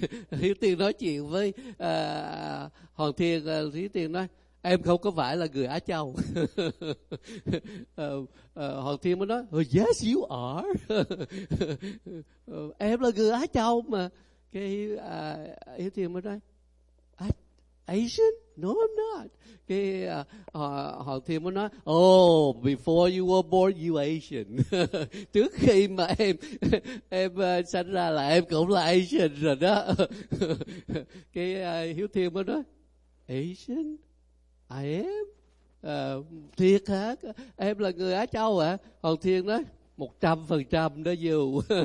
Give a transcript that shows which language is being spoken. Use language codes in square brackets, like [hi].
[vi] Hiếu Thiên nói chuyện với Hoàng Thiên, Hiếu Thiên nói, em không có phải là người Á Châu. Hoàng Thiên mới nói, oh, yes you are. Em là người Á Châu mà. Cái Hiếu Thiên mới nói, Asian? [en] No, I'm not. Cái Hoàng Thiên mới nói, oh, before you were born, you Asian. [vi] Trước khi mà em sinh ra là em cũng là Asian rồi đó. Cái Hiếu Thiên mới nói, Asian? I am? Thiệt hả? Em là người Á Châu hả? Hoàng Thiên nói, 100% đó dù.